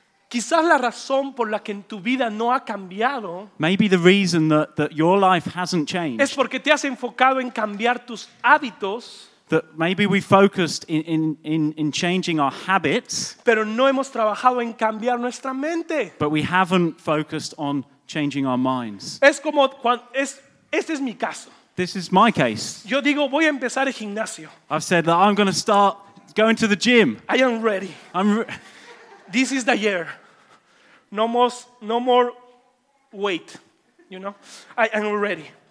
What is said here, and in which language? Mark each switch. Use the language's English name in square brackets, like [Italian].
[Spanish] Quizás la razón por la que en tu vida no ha cambiado, [English] maybe the reason that your life hasn't changed, [Spanish] es porque te has enfocado en cambiar tus hábitos, [English] that maybe we focused in changing our habits, [Spanish] pero no hemos trabajado en cambiar nuestra mente, [English] but we haven't focused on changing our minds. [Spanish] Es como cuando, este es mi caso. [English] This is my case. [Spanish] Yo digo, voy a empezar el gimnasio. [English] I've said that I'm going to start going to the gym. I am ready. This is the year. No more weight, you know. I am ready.